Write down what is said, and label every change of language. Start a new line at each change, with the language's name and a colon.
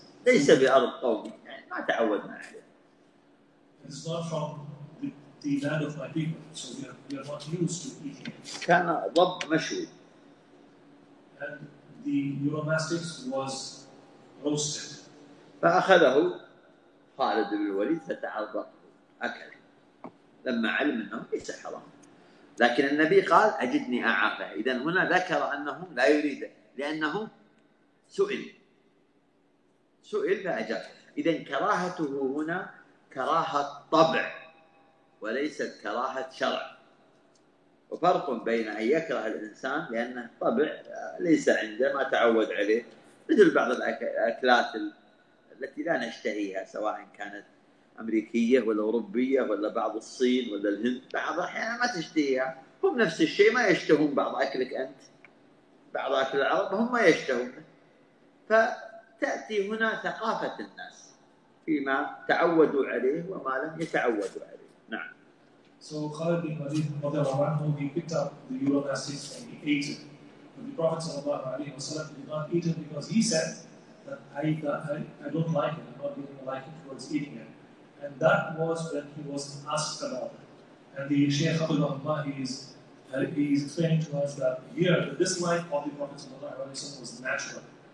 Arabic: ليس بأرض قومي. يعني ما تعودنا عليه.
English: It's not from the land of my people, so we are not used to eating it.
Arabic: كان ضب مشوي.
English: And the Euromastix was roasted.
Arabic: فأخذه خالد بن الوليد فتعظمه أكله لما علم أنه ليس حرام. لكن النبي قال أجدني أعافه. إذن هنا ذكر أنه لا يريده لأنه سئل فأجاب. إذن كراهته هنا كراهة طبع وليست كراهة شرع. وفرق بين أن يكره الإنسان لأنه طبع ليس عنده ما تعود عليه مثل بعض الأكلات التي لا نشتهيها سواء كانت أمريكية ولا أوروبية ولا بعض الصين ولا الهند. بعض الأحيان ما تشتهيها هم نفس الشيء ما يشتهون بعض أكلك أنت بعض أكل العرب هم ما يشتهون. فتأتي هنا ثقافة الناس فيما تعودوا عليه وما لم يتعودوا عليه.
English: So Khalid bin Walid, رضي الله عنه, he picked up the Euromastix and he ate it. But the Prophet sallallahu alaihi wasallam did not eat it because he said that I don't like it. I'm not giving a liking towards eating it. And that was when he was asked about it. And the Shaykh Abu Dhabi is explaining to us that here the dislike of the Prophet sallallahu alaihi wasallam was natural.